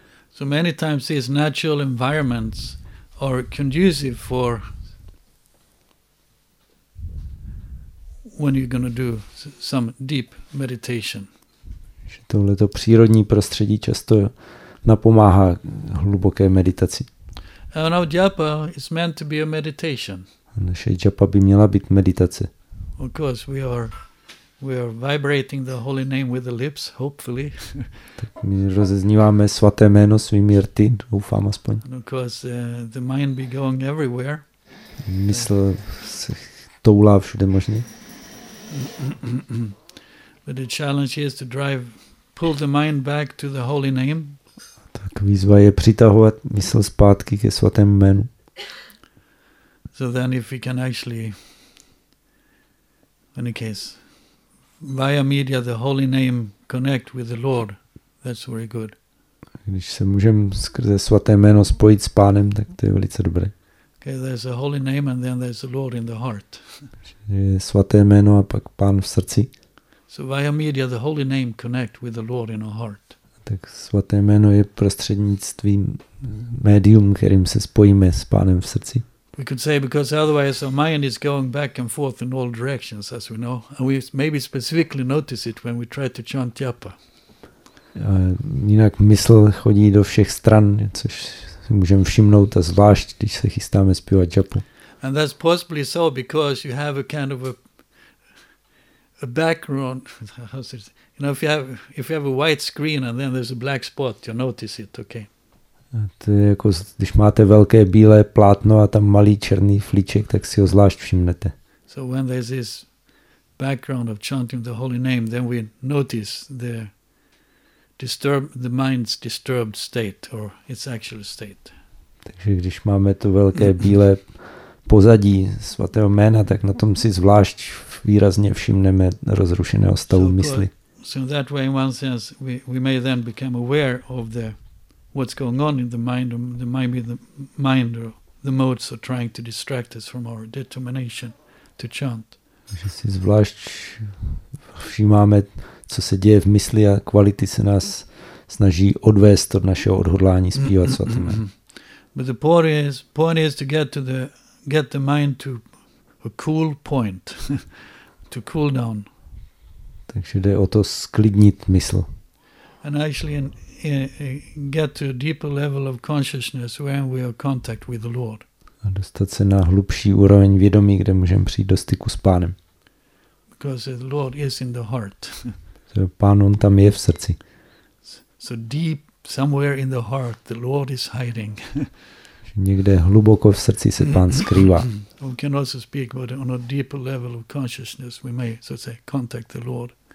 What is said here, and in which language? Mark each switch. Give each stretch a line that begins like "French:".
English: So many times these natural environments are conducive for when you're going to do some deep meditation.
Czech: Že tohleto přírodní prostředí často napomáhá hluboké meditaci.
English: And our japa is meant to be a meditation.
Czech: Naše japa by měla být meditace.
English: Of course, we are vibrating the holy name with the lips, hopefully.
Czech: Tak my rozezníváme svaté jméno svými rty, doufám aspoň.
English: And of course, the mind be going everywhere.
Czech: Mysl se toulá všude možně.
English: But the challenge is to drive, pull the mind back to the holy name.
Czech: Tak výzva je přitahovat mysl zpátky ke svatému jménu.
English: So then if we can actually, in any case, via media the holy name connect with the Lord, that's very good.
Czech: Když se můžeme skrze svaté jméno spojit s pánem, tak to je velice dobré.
English: Okay, there's a holy name and then there's the Lord in the heart.
Czech: Je svaté jméno a pak pán v srdci.
English: So via media the holy name connect with the Lord in our heart.
Czech: Tak svaté jméno je prostřednictvím médium, kterým se spojíme s pánem v srdci.
English: We could say because otherwise our mind is going back and forth in all directions, as we know, and we maybe specifically notice it when we try to chant japa.
Czech: Jinak mysl chodí do všech stran, což si můžeme všimnout, a zvlášť když se chystáme zpívat japu.
English: And that's possibly so because you have a kind of a background. How's it? You know, if you have a white screen and then there's a black spot, you notice it, okay?
Czech: To je jako, když máte velké bílé plátno a tam malý černý flíček, tak si ho zvlášť všimnete.
English: So when there's this background of chanting the holy name, then we notice the mind's disturbed state or its actual state.
Czech: Takže když máme to velké bílé pozadí svatého jména, tak na tom si zvlášť výrazně všimneme rozrušeného stavu mysli.
English: So in that way, in one sense, we may then become aware of the what's going on in the mind, or there might be the mind or the modes are trying to distract us from our determination to chant.
Czech: Že si zvlášť všímáme, co se děje v mysli a kvality se nás snaží odvést od našeho odhodlání zpívat svatým.
English: But the point is to get the mind to a cool point, to cool down.
Czech: Takže jde o to sklidnit mysl.
English: And actually get to a deeper level of consciousness when we are in contact with the Lord.
Czech: A dostat se na hlubší úroveň vědomí, kde můžeme přijít do styku s pánem.
English: Because the Lord is in the heart.
Czech: Pán, on tam je v srdci.
English: So deep somewhere in the heart the Lord is hiding.
Czech: Někde hluboko v srdci se pán skrývá.
English: We can also speak about on a deeper level of consciousness we may, so to say, contact the Lord.